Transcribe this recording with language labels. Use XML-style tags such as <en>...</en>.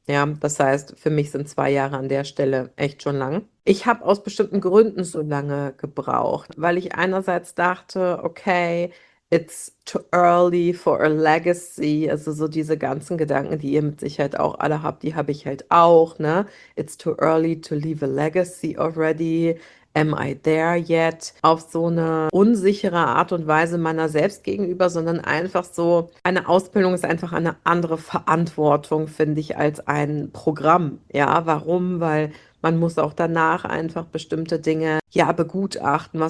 <de>Ja, das heißt, für mich sind 2 Jahre an der Stelle echt schon lang. Ich habe aus bestimmten Gründen so lange gebraucht, weil ich einerseits dachte, okay,</de> <en>it's too early for a legacy.</en> <de>Also so diese ganzen Gedanken, die ihr mit Sicherheit auch alle habt, die habe ich halt auch.</de> <en>Ne, it's too early to leave a legacy already. Am I there yet?</en> <de>Auf so eine unsichere Art und Weise meiner selbst gegenüber, sondern einfach so, eine Ausbildung ist einfach eine andere Verantwortung, finde ich, als ein Programm. Ja, warum? Weil man muss auch danach einfach bestimmte Dinge ja begutachten.</de>